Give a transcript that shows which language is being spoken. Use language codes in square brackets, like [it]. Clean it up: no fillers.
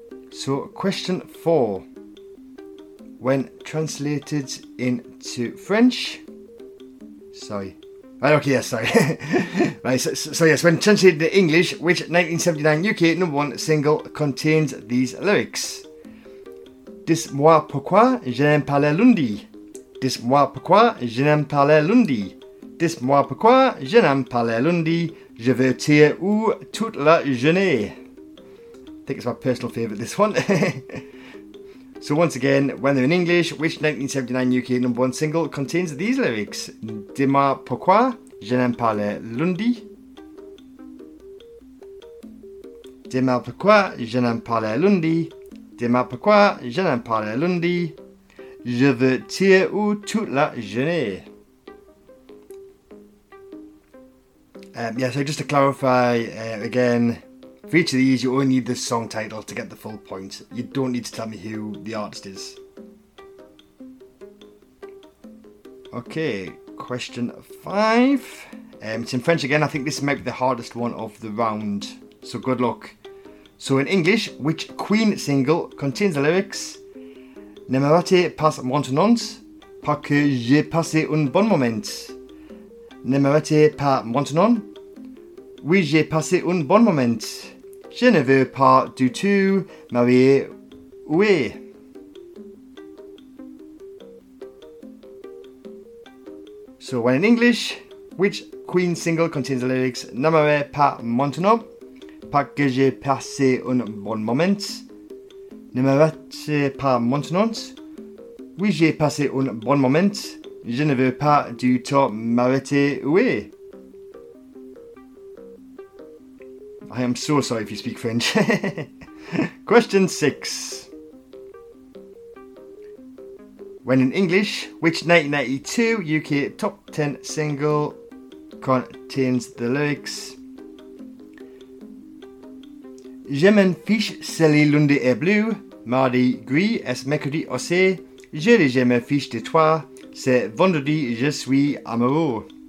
[en] So question four, when translated into French, when translated into English, which 1979 UK number one single contains these lyrics? [fr] Dis-moi pourquoi je n'aime pas le lundi. Dis-moi pourquoi je n'aime pas le lundi. Dis-moi pourquoi je n'aime pas le lundi. Je veux tirer où toute la journée. [en] I think it's my personal favourite, this one. So once again, when they're in English, which 1979 UK number one single contains these lyrics? [fr] Dis-moi pourquoi je n'aime pas le lundi. Dis-moi pourquoi je n'aime pas le lundi. Dis-moi pourquoi je n'aime pas le lundi. Je veux tirer où toute la journée. [en] So just to clarify again, for each of these, you only need the song title to get the full point. You don't need to tell me who the artist is. Okay, question five. It's in French again. I think this might be the hardest one of the round. So good luck. So in English, which Queen single contains the lyrics? [fr] Ne me rate pas maintenant, parce que j'ai passé un bon moment. Ne me rate pas maintenant. Oui, j'ai passé un bon moment. Je ne veux pas du tout m'arrêter. Oui. [en] So, when in English, which Queen single contains the lyrics [fr] Ne me rate pas maintenant, parce que j'ai passé un bon moment. Ne me rate pas maintenant. Oui, j'ai passé un bon moment. Je ne veux pas du tout m'arrêter. Oui. [en] I am so sorry if you speak French. Question six. When in English, which 1992 UK top 10 single contains the lyrics? [fr] Je m'en fiche si le lundi est bleu. Mardi gris est mercredi aussi, je les aime fiche de toi, c'est vendredi, je suis amoureux.